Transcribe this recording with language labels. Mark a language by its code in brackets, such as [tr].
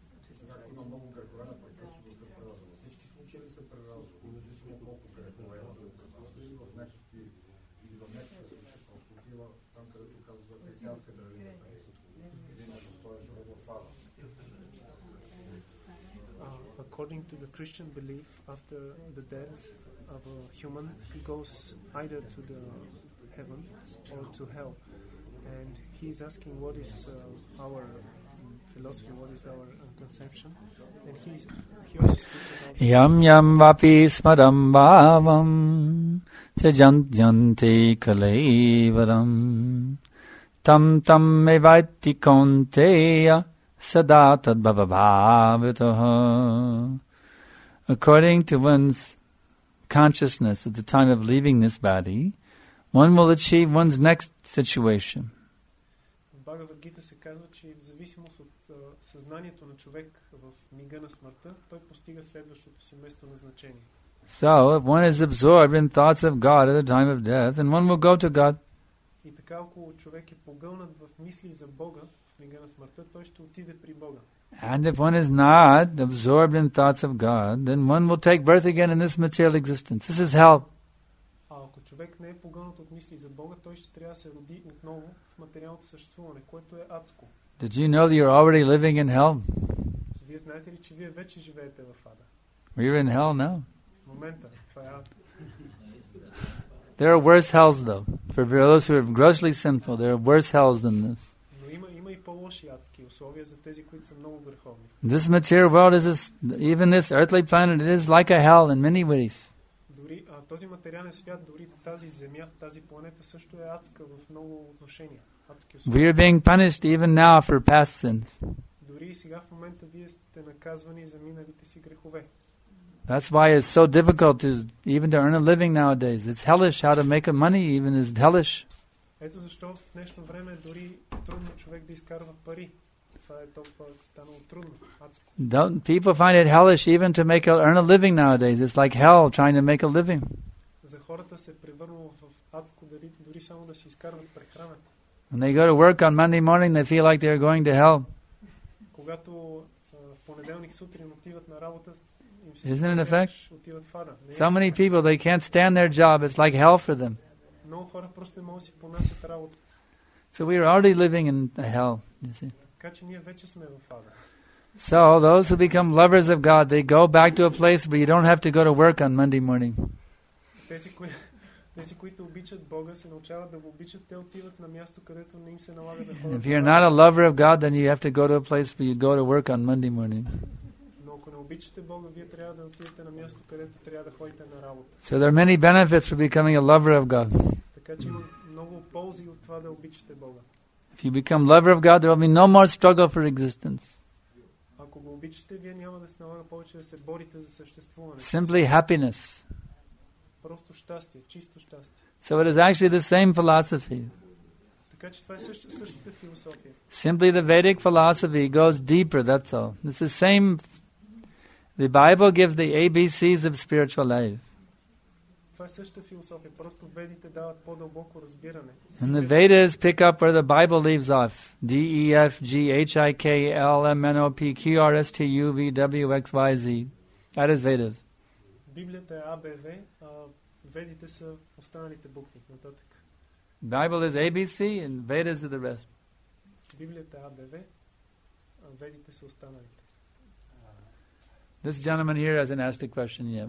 [bg] Сега има много грехове, напрекъсно да се преразва. Всички случаи се преразват, независимо колко грехове има за преразва или в някакви или в някакви случаи просто отива там, където казва християнска религия, или на достоя живе в ада. [en] According to the Christian belief, after the death of a human, he goes either to the heaven or to hell. And he's asking what is our philosophy, what is our conception. And he [sa] Yam yam vapi smadam bhavam tyajant yanti kalevaram tam tam evaiti konteya sadatad bhavabhavitaha. [en] According to one's consciousness at the time of leaving this body, one will achieve one's next situation. [bg] В Бхагавад Гита се казва, че в зависимост от съзнанието на човек в мига на смъртта, той постига следващото си место на значение. [en] So, if one is absorbed in thoughts of God at the time of death, then one will go to God. [bg] И така, ако човек е погълнат в мисли за Бога в мига на смъртта, той ще отиде при Бога. [en] And if one is not absorbed in thoughts of God, then one will take birth again in this material existence. This is hell. [bg] Човек не е погълнат от мисли за Бога, той ще трябва да се роди отново в материалното съществуване, което е адско. [en] Did you know that you're already living in hell? [bg] Вие знаете ли, че вие вече живеете в ада? [en] We're in hell now. [bg] В момента, това е ад. [en] There are worse hells though. For those who are grossly sinful, there are worse hells than this. [bg] Но има и по-лоши адски условия за тези, които са много върховни. [en] This material world is even this earthly planet, it is like a hell in many ways. [bg] Този материален свят, дори тази земя, тази планета също е адска в много отношения. [en] We are being punished even now for past sins. [bg] Дори сега в момента вие сте наказвани за миналите си грехове. [en] That's why it's so difficult to even to earn a living nowadays. It's hellish how to make a money even is hellish. [bg] Ето защо в днешно време дори трудно човек да изкарва пари. Това е толкова станало трудно. [en] Don't people find it hellish even to make earn a living nowadays? It's like hell trying to make a living. [bg] За хората се превърнало в адско дори само да си изкарват прехраната. [en] When they go to work on Monday morning, they feel like they are going to hell. [bg] Когато в понеделник сутрин отиват на работа, [en] Isn't it a fact? So many people, they can't stand their job. It's like hell for them. [bg] Много хора просто не могат да си понасят работа. [en] So we are already living in a hell, you see. [bg] Така че ние вече сме в ада. [en] So those who become lovers of God, they go back to a place where you don't have to go to work on Monday morning. [bg] Тези, които обичат Бога, се научават да го обичат, те отиват на място, където не им се налага да ходят. [en] If you're not a lover of God, then you have to go to a place where you go to work on Monday morning. [bg] Но ако не обичате Бога, вие трябва да отидете на място, където трябва да ходите на работа. [en] So there are many benefits for becoming a lover of God. [bg] Така че има много ползи от това да обичате Бога. [en] If you become lover of God, there will be no more struggle for existence. [bg] Ако го обичате, вие няма да се налага повече да се борите за съществуване. [en] Simply happiness. [bg] Просто щастие, чисто щастие. [en] So it is actually the same philosophy. [bg] Така че това е същата философия. [en] Simply the Vedic philosophy goes deeper, that's all. It's the same. The Bible gives the ABCs of spiritual life. [bg] Това е същата философия, просто ведите дават по-дълбоко разбиране. [en] And the Vedas pick up where the Bible leaves off. D E F G H I K L M N O P Q R S T U V W X Y Z. That is Vedas. [bg] Библията е ABV, а ведите са останалите букви нататък. [en] Bible is ABC and Vedas are the rest. [bg] Библията е ABV, а ведите са останалите. [en] This gentleman here hasn't asked a question yet.